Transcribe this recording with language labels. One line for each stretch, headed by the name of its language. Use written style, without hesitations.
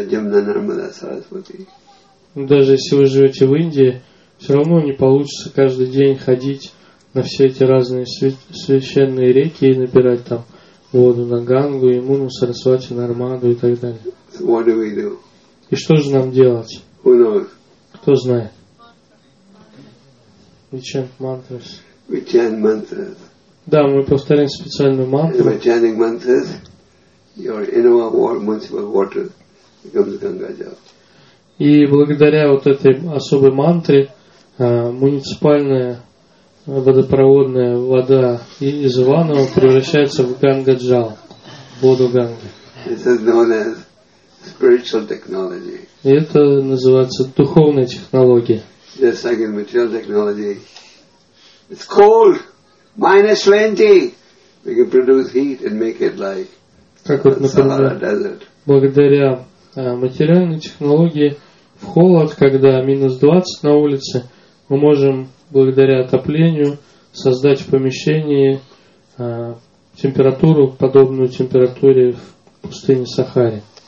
Russian: Даже если вы живете в Индии, все равно не получится каждый день ходить на все эти разные священные реки и набирать там воду на Гангу, Ямуну, Сарасвати, Нармаду и так далее.
English: So what do we do?
Russian: И что же нам делать?
English: Who knows?
Russian: Кто знает?
English: We chant mantras. We chant mantras.
Russian: Да, мы повторим специальную мантру.
English: By chanting mantras, your inner world, municipal water becomes Gangajal.
Russian: И благодаря вот этой особой мантре, муниципальная водопроводная вода из Иваново превращается в Гангаджал, воду Ганги.
English: This is known as spiritual technology.
Russian: И это называется духовная технология.
English: Just like in material technology. It's cold, minus 20. We can produce heat and make it like Sahara Desert.
Russian: Благодаря материальной технологии в холод, когда минус 20 на улице, мы можем благодаря отоплению создать в помещении температуру, подобную температуре в пустыне Сахаре.